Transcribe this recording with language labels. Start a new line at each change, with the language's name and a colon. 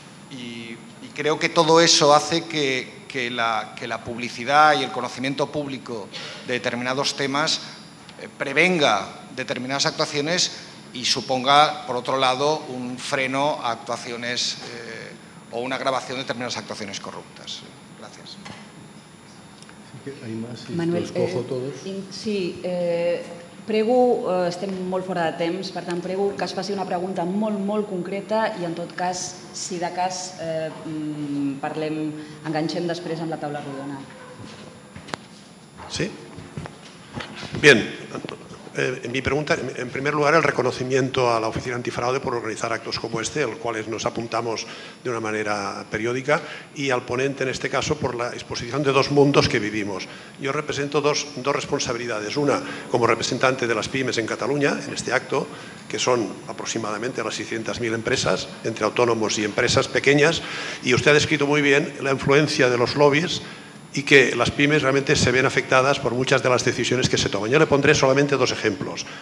Spanish: Y creo que todo eso hace que la publicidad y el conocimiento público de determinados temas prevenga determinadas actuaciones y suponga, por otro lado, un freno a actuaciones o una grabación de determinadas actuaciones corruptas. Gracias. ¿Hay más? Manuel, ¿los cojo todos?
Catalan: Sí, prego, estem molt fora de temps, per tant prego que es faci una pregunta molt, molt concreta i en tot cas, si de cas parlem, enganxem després amb la taula rodona.
Spanish: Sí? Bien, mi pregunta, en primer lugar, el reconocimiento a la Oficina Antifraude por organizar actos como este, el cual nos apuntamos de una manera periódica, y al ponente, en este caso, por la exposición de dos mundos que vivimos. Yo represento dos responsabilidades. Una, como representante de las pymes en Cataluña, en este acto, que son aproximadamente las 600.000 empresas, entre autónomos y empresas pequeñas, y usted ha descrito muy bien la influencia de los lobbies y que las pymes realmente se ven afectadas por muchas de las decisiones que se toman. Yo le pondré solamente dos ejemplos.